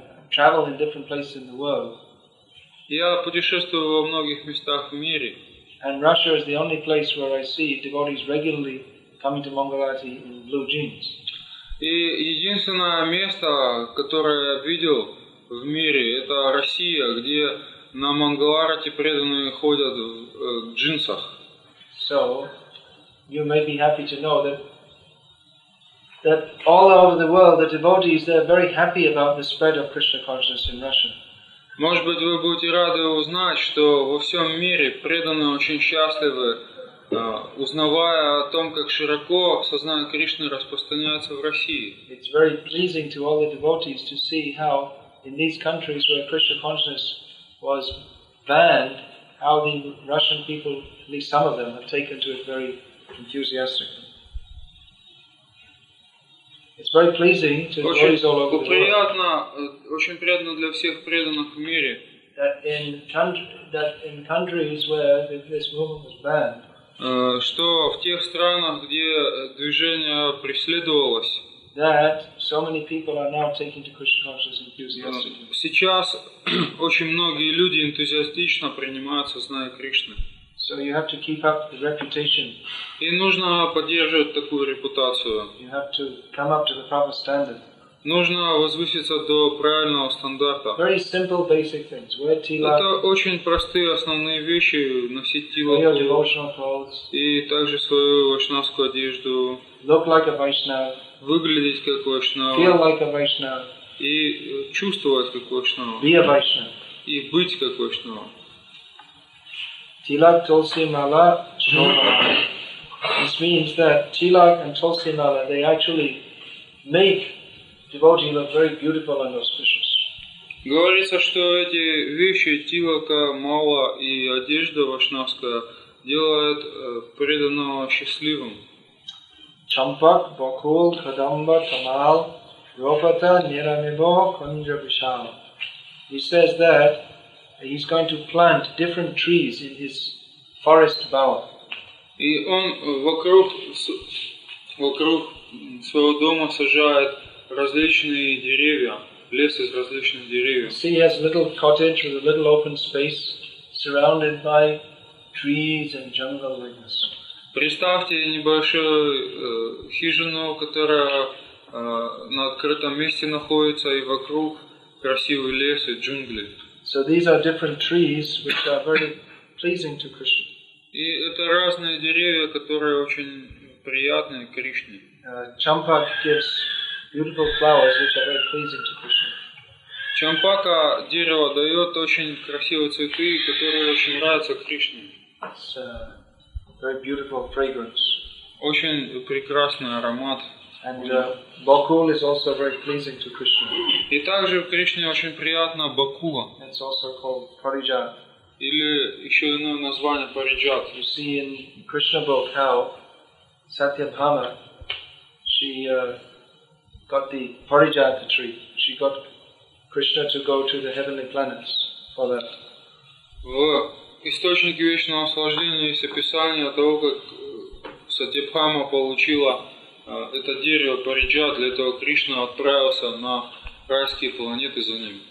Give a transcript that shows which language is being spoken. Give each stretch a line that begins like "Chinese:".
English: Travel in different places in the world.
Russian: Я путешествую во многих местах в мире.
English: And Russia is the only place where I see devotees regularly coming to Mangalarti in blue jeans.
Russian: И единственное место, которое я видел в мире, это Россия, где на Мангаларти преданные ходят в джинсах.
English: So, you may be happy to know that all over the world, the devotees, they're very happy about the spread of Krishna consciousness in Russia.
Russian: Может быть, вы будете рады узнать, что во всем мире преданные очень счастливы, узнавая о том, как широко сознание Кришны распространяется в России.
English: It's very pleasing to all the devotees to see how in these countries where Krishna consciousness was banned, how the Russian people, at least some of them, have taken to it very enthusiastically. It's very pleasing to the devotees all over the world.
Russian: Очень приятно для всех преданных в мире.
English: That in countries where this movement was banned,
Russian: что в тех странах, где движение преследовалось,
English: that so many people are now taking to Krishna consciousness enthusiastically.
Russian: Сейчас очень многие люди энтузиастично принимают сознание Кришны.
English: So you have to keep up the reputation.
Russian: И нужно поддерживать такую репутацию.
English: You have to come up to the proper standard.
Russian: Нужно возвыситься до правильного стандарта.
English: Very simple, basic things. Wear tilak.
Russian: Это очень простые основные вещи: носить тилаку.
English: Wear devotional clothes.
Russian: И также свою вайшнавскую одежду.
English: Look like a Vaishnav.
Russian: Выглядеть как вайшнав.
English: Feel like a Vaishnav.
Russian: И чувствовать как вайшнав.
English: Be a Vaishnav.
Russian: И быть как вайшнав.
Bangla: Tilak, tulsi mala, shomala.
English: This means that tilak and tulsi mala, they actually make devotees look very beautiful and auspicious.
Russian: Говорится, что эти вещи, тилака, мала и одежда вайшнавская, делают преданного счастливым.
Bangla: Champak, bakul, kadamba, tamal, ropata, niramibo, kunja vishal.
English: He says that he's going to plant different trees in his forest bower.
Russian: И он вокруг своего дома сажает различные деревья, лес из различных деревьев.
English: See, he has a little cottage with a little open space surrounded by trees and jungle things.
Russian: Представьте небольшую хижину, которая на открытом месте находится, и вокруг красивый лес и джунгли.
English: So these are different trees which are very pleasing to Krishna.
Russian: И это разные деревья, которые очень приятны Кришне.
English: Champak gives beautiful flowers which are very pleasing to Krishna.
Russian: Champaka дерево дает очень красивые цветы, которые очень нравятся Кришне.
English: It's a very beautiful fragrance.
Russian: Очень прекрасный аромат.
English: And bakul is also very pleasing to Krishna.
Russian: И также в Кришне очень приятно бакула.
English: It's also called парижат.
Russian: Или еще иное название парижат.
English: You see in Krishna book how Satyabhama she got the парижат tree. She got Krishna to go to the heavenly planets for that.
Russian: В источнике вечного наслаждения есть описание того, как Сатьябхама получила это дерево Париджа, для этого Кришна отправился на райские планеты за ним.